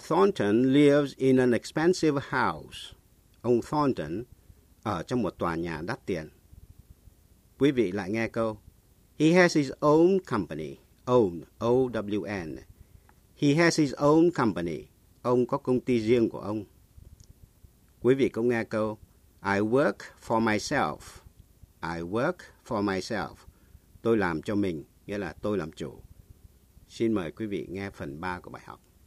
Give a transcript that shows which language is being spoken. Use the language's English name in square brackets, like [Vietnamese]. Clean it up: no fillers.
[English] Thornton lives in an expensive house. [Vietnamese] Ông Thornton ở trong một tòa nhà đắt tiền. Quý vị lại nghe câu [English] He has his own company. Own, O-W-N. He has his own company. [Vietnamese] Ông có công ty riêng của ông. Quý vị cũng nghe câu [English] I work for myself. I work for myself. [Vietnamese] Tôi làm cho mình, nghĩa là tôi làm chủ. Xin mời quý vị nghe phần 3 của bài học.